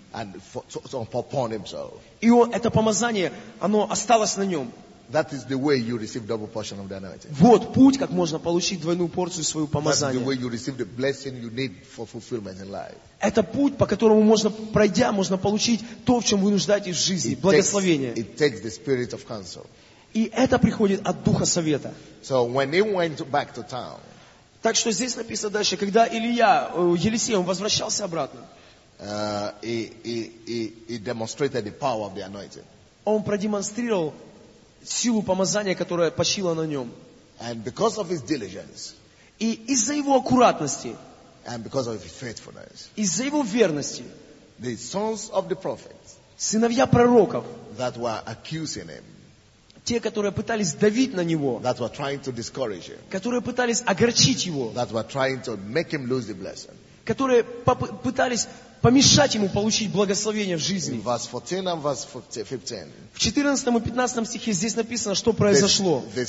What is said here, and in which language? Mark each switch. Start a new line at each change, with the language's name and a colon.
English: And upon himself.
Russian: И это помазание, оно осталось на нем.
English: That is the way you receive double portion of the anointing.
Russian: Вот путь, как можно получить двойную порцию своего помазания.
English: That is the way you receive the blessing you need for fulfillment in life.
Russian: Это путь, по которому можно пройдя, можно получить то, в чем вы нуждаетесь в жизни, благословение.
English: It takes the spirit of counsel.
Russian: И это приходит от духа совета.
English: So when he went back to town.
Russian: Так что здесь написано дальше, когда Елисей, он возвращался обратно.
English: He demonstrated the power of the anointing.
Russian: Он продемонстрировал силу помазания, которая почила на нем.
English: And because of his diligence,
Russian: и из-за его аккуратности,
English: and because of his faithfulness,
Russian: из-за его верности,
English: the sons of the prophets,
Russian: сыновья пророков,
English: that were accusing him,
Russian: те, которые пытались давить на него,
English: that were trying to discourage him,
Russian: которые пытались огорчить его,
English: that were trying to make him lose the blessing,
Russian: которые пытались помешать ему получить благословение в жизни.
English: Verse 14 and verse 15.
Russian: В 14 и 15 стихе здесь написано, что произошло.